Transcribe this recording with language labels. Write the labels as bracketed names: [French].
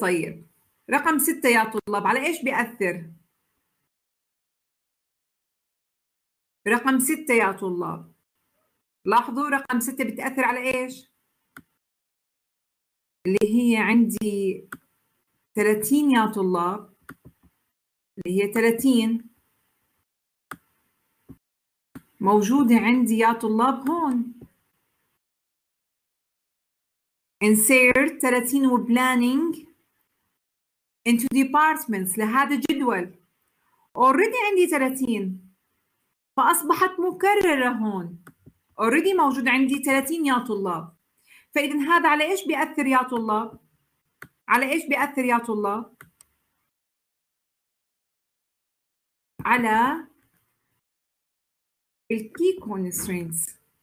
[Arabic] طيب رقم 6 يا طلاب على ايش بيأثر؟ رقم 6 يا طلاب لاحظوا رقم 6 بتأثر على ايش؟ اللي هي عندي 30 يا طلاب، اللي هي 30 موجودة عندي يا طلاب هون. [English] insert 30 و planning into departments [Arabic] لهذا الجدول. already عندي 30 فأصبحت مكررة هون، already موجود عندي 30 يا طلاب. فإذا هذا على إيش بيأثر يا طلاب؟ على إيش بيأثر يا طلاب؟ على الكي constraints.